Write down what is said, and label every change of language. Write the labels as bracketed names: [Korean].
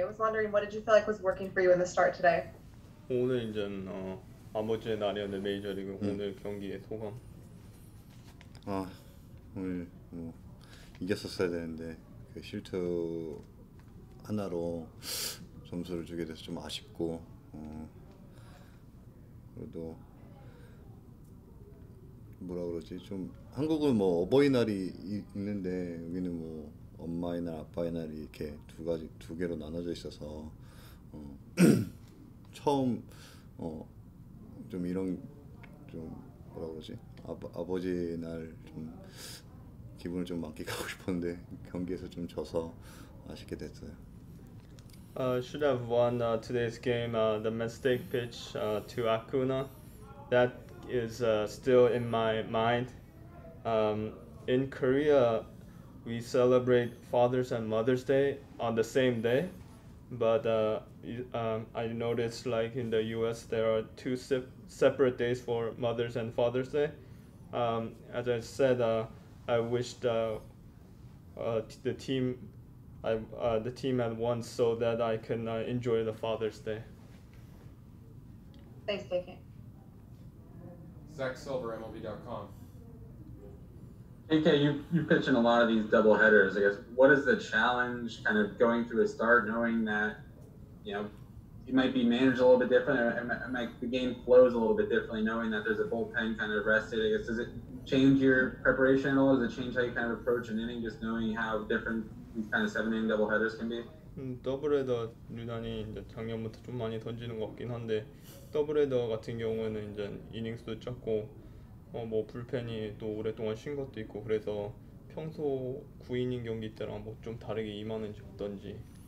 [English] I was wondering, what did you feel like was working for you in the start today? [Korean] 오늘 이제 아버지의 날이었는데 메이저리그 오늘 경기의 소감. 아 오늘 뭐 이겼었어야 되는데 그 실투 하나로 점수를 주게 돼서 좀 아쉽고 그래도 뭐라 그러지 좀 한국은 뭐 어버이날이 있는데 여기는 뭐 엄마의 날 아빠의 날이 이렇게 두 가지 두 개로 나눠져 있어서 처음 좀 이런 좀 뭐라 그러지 아버지 날 좀 기분을 좀 만끽하고 싶었는데 경기에서 좀 져서 아쉽게 됐어요. [English] Should have won today's game. The mistake pitch to Acuna, that is still in my mind. In Korea, we celebrate Father's and Mother's Day on the same day. But I noticed like in the US, there are two separate days for Mother's and Father's Day. As I said, I wished the team had won so that I can enjoy the Father's Day. Thanks, JK. Zach Silver, MLB.com. JK, you pitch in a lot of these double headers. I guess what is the challenge, kind of going through a start, knowing that, you know, you might be managed a little bit differently, or might the game flows a little bit differently, knowing that there's a bullpen kind of rested. I guess does it change your preparation at all? Does it change how you kind of approach an inning, just knowing how different these kind of seven inning double headers can be? [Korean] 더블헤더 유난히 이제 작년부터 좀 많이 던지는 것 같긴 한데 더블헤더 같은 경우에는 이제 이닝수도 작고. 뭐 불펜이 또 오랫동안 쉰 것도 있고 그래서 평소 9이닝 경기 때랑 뭐 좀 다르게 임하는지 어떤지.